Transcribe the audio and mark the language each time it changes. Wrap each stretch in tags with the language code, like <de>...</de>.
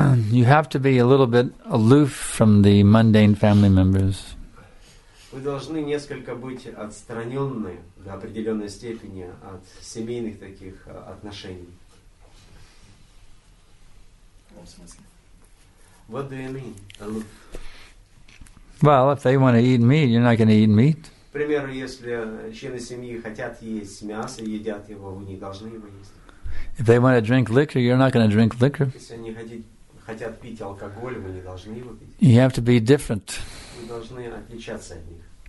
<en>You have to be a little bit aloof from the mundane family members.</en> <ru>Вы должны несколько быть отстранённы до определённой степени от семейных таких отношений.</ru> <en>What do you mean, aloof? Well, if they want to eat meat, you're not going to eat meat.</en> <ru>К примеру, если члены семьи хотят есть мясо, едят его, вы не должны его есть.</ru> <en>If they want to drink liquor, you're not going to drink liquor.</en> <ru>Если они хотят хотят пить алкоголь, вы не должны его пить.</ru> <en>You have to be different.</en> <ru>Вы должны отличаться от них.</ru>